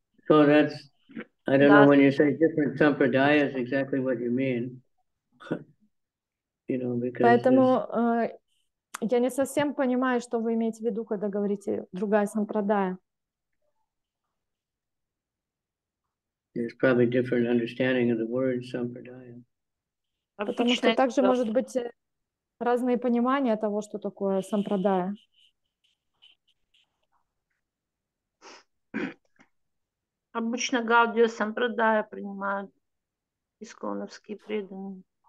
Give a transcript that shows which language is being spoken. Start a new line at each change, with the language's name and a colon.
English: So that's, I don't know when you say different sampradayas exactly what you mean. You know, because
Russian: поэтому я не совсем понимаю, что вы имеете в виду, когда говорите другая сампрадая.
English: There's probably different understanding of the word sampradaya.
Russian: Потому что также может быть разные понимания того, что такое сампрадая. Обычно Гаудия сампрадая принимают исконовские преданные.